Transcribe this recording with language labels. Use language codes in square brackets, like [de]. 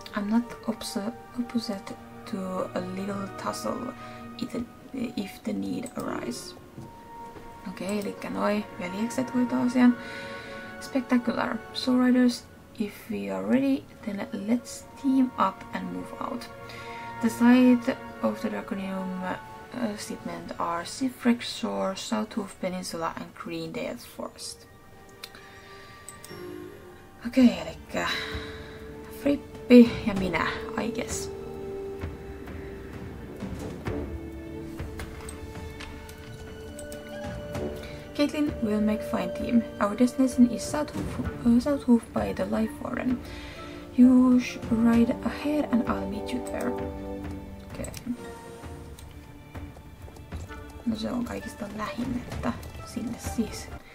[en] I'm not opposite to a little tussle if the need arises. [fi] Okay, elikkä noi veljekset hoitaa asian. [en] Spectacular. So riders, if we are ready, then let's team up and move out. The site of the draconium statement are Seafrek Shore, Southwood Peninsula and Greendale Forest. [fi] Okei, elikkä Frippi ja minä, [en] I guess. Caitlin will make fine team. Our destination is Southwood by the Life Warren. You should ride ahead and I'll meet you there. [fi] Okei. No se on kaikista lähin, että sinne siis.